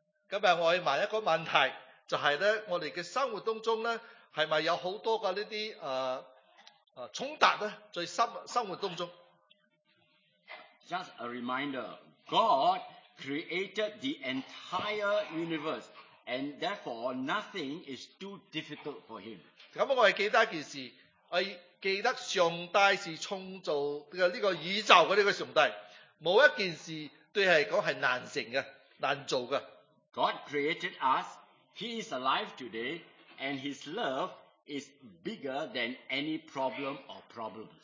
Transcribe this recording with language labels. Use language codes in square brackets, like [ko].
[yue] 今日我要问一个问题，就系咧，我哋嘅生活当中咧，系咪有好多嘅呢啲冲突咧，在生活当中 [en] ？Just a reminder, God created the entire universe, and therefore nothing is too difficult for Him. [yue] 咁我系记得一件事，记得上帝是创造呢个宇宙嘅呢个上帝，冇一件事对系讲系难成嘅、难做嘅。 [en] God created us, He is alive today, and His love is bigger than any problem or problems.